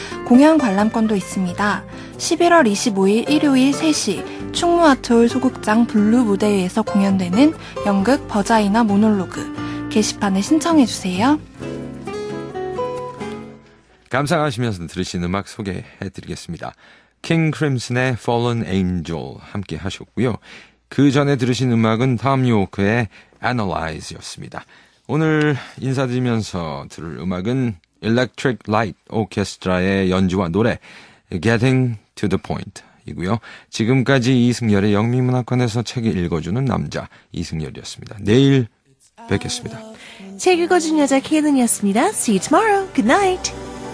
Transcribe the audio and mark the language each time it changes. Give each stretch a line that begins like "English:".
Korean: 공연 관람권도 있습니다. 11월 25일 일요일 3시 충무아트홀 소극장 블루 무대에서 공연되는 연극 버자이너 모놀로그, 게시판에 신청해주세요. 감상하시면서 들으신 음악 소개해드리겠습니다. King Crimson의 Fallen Angel 함께 하셨고요. 그 전에 들으신 음악은 Tom York의 Analyze였습니다. 오늘 인사드리면서 들을 음악은 Electric Light Orchestra의 연주와 노래 Getting to the Point이고요. 지금까지 이승열의 영미문학관에서 책을 읽어주는 남자 이승열이었습니다. 내일 뵙겠습니다. 책 읽어주는 여자 케이든이었습니다.
English: See you tomorrow. Good night.